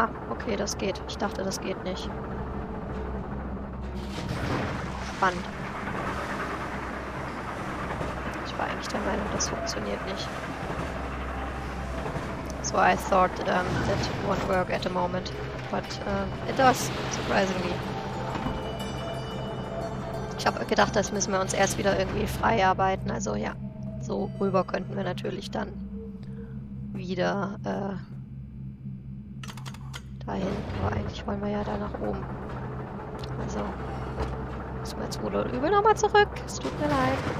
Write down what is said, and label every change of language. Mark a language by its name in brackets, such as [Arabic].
[German] Okay, das geht. Ich dachte, das geht nicht. Spannend. Ich war eigentlich der Meinung, das funktioniert nicht. [English] So I thought that won't work at the moment. But it does, surprisingly. [German] Ich habe gedacht, das müssen wir uns erst wieder irgendwie frei arbeiten. Also ja, so rüber könnten wir natürlich dann wieder... dahin. Aber eigentlich wollen wir ja da nach oben. Also müssen wir jetzt wohl und übel nochmal zurück. Es tut mir leid.